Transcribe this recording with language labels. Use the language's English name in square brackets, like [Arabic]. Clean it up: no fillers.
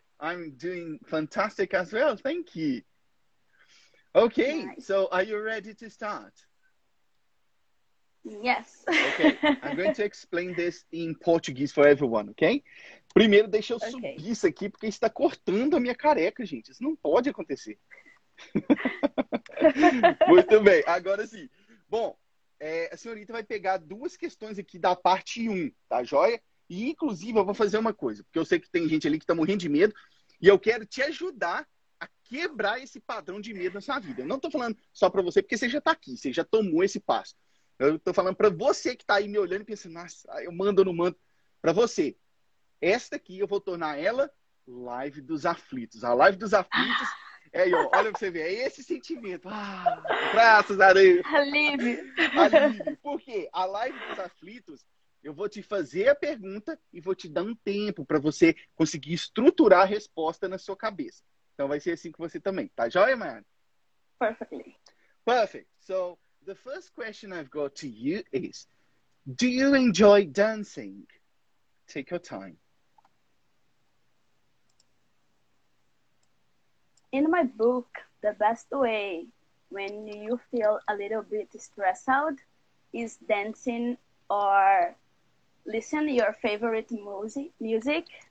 [English] I'm doing fantastic as well, thank you. Okay, nice. So are you ready to start? Yes. Okay, I'm going to explain this in Portuguese for everyone, okay? [Portuguese] Primeiro, deixa eu subir isso aqui, porque está cortando a minha careca, gente. Isso não pode acontecer. Muito bem, agora sim. Bom, a senhorita vai pegar duas questões aqui da parte 1, tá joia? E, inclusive, eu vou fazer uma coisa, porque eu sei que tem gente ali que está morrendo de medo, e eu quero te ajudar a quebrar esse padrão de medo na sua vida. Eu não tô falando só pra você, porque você já tá aqui, você já tomou esse passo. Eu tô falando pra você que tá aí me olhando e pensando, nossa, eu mando ou não mando? Pra você, esta aqui eu vou tornar ela Live dos Aflitos. A Live dos Aflitos é aí, ó, olha pra você ver, é esse sentimento. Graças a Deus. Alívio. Por quê? A Live dos Aflitos, eu vou te fazer a pergunta e vou te dar um tempo pra você conseguir estruturar a resposta na sua cabeça. Então vai ser assim com você também, tá joia, Mayara? [English] Perfect. So, the first question I've got to you is, do you enjoy dancing? Take your time. In my book, the best way when you feel a little bit stressed out is dancing or listen to your favorite music.